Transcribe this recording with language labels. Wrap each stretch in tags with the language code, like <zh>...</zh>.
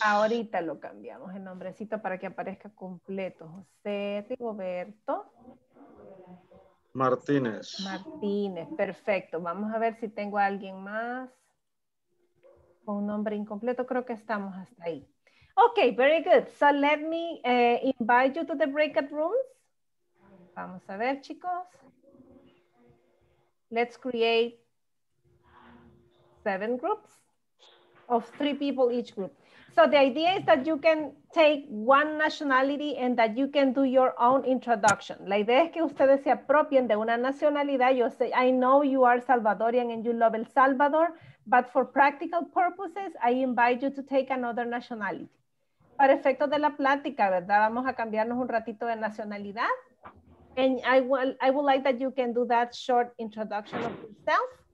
<es>Ahorita lo cambiamos el nombrecito para que aparezca completo. José Rigoberto Martínez. Martínez, perfecto. Vamos a ver si tengo a alguien más. con un nombre incompleto, creo que estamos hasta ahí.</es> <en>Ok, very good. So let me invite you to the breakout rooms.</en> <es>Vamos a ver, chicos.</es> <en>Let's create 7 groups of 3 people each group. So the idea is that you can take one nationality and that you can do your own introduction.</en> <es>La idea es que ustedes se apropien de una nacionalidad. Yo sé,</es> <en>I know you are Salvadorian and you love El Salvador, but for practical purposes, I invite you to take another nationality.</en> <es>Para efectos de la plática, ¿verdad? Vamos a cambiarnos un ratito de nacionalidad.</es> <en>And I would like that you can do that short introduction of yourself.</en>